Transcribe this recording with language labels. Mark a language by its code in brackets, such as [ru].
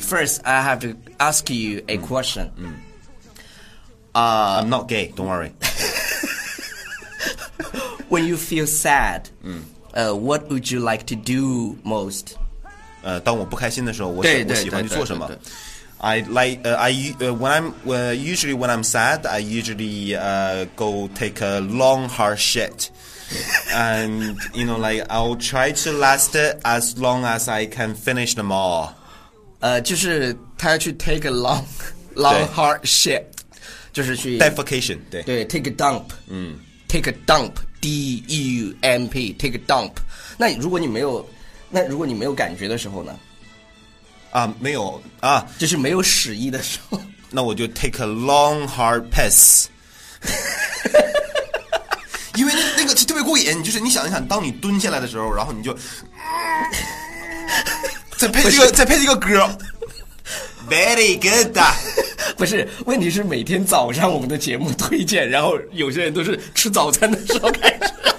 [en] First, I have to ask you a question. I'm not gay. Don't worry. When you feel sad, what would you like to do most? [zh] 当我不开心的时候，我喜欢去做什么？ [en] When I'm sad, I usually go take a long hard shit. And you know, like I'll try to last it as long as I can finish them all. [zh] 就是他要去 [en] take a long, long hard shit, [zh] 就是去 [en] defecation. 对对 ，take a dump. Take a dump. D U M P. Take a dump. [zh] 那如果你没有感觉的时候呢？啊，没有啊，就是没有屎意的时候。那我就 [en] take a long hard piss. [zh] 因为那个特别过瘾，就是你想一想，当你蹲下来的时候，然后你就再配这个歌 ， [en] Very good [zh] 的。不是，问题是每天早上我们的节目推荐，然后有些人都是吃早餐的时候开始。